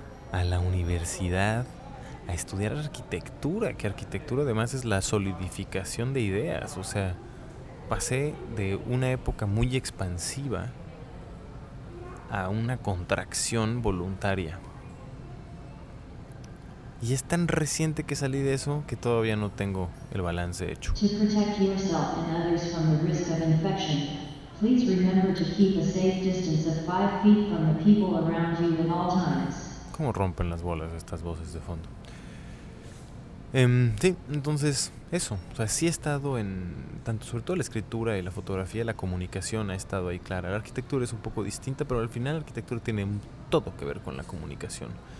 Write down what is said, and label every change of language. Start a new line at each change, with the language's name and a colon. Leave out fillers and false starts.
Spanish: a la universidad, a estudiar arquitectura, que arquitectura además es la solidificación de ideas. O sea, pasé de una época muy expansiva a una contracción voluntaria. Y es tan reciente que salí de eso que todavía no tengo el balance hecho.
English: To protect yourself and others from the risk of infection, please remember to keep a safe distance of 5 feet from the people around you at all times.
Spanish: ¿Cómo rompen las bolas estas voces de fondo? Sí, entonces eso, o sea, sí he estado en tanto, sobre todo la escritura y la fotografía, la comunicación ha estado ahí clara. La arquitectura es un poco distinta, pero al final la arquitectura tiene todo que ver con la comunicación.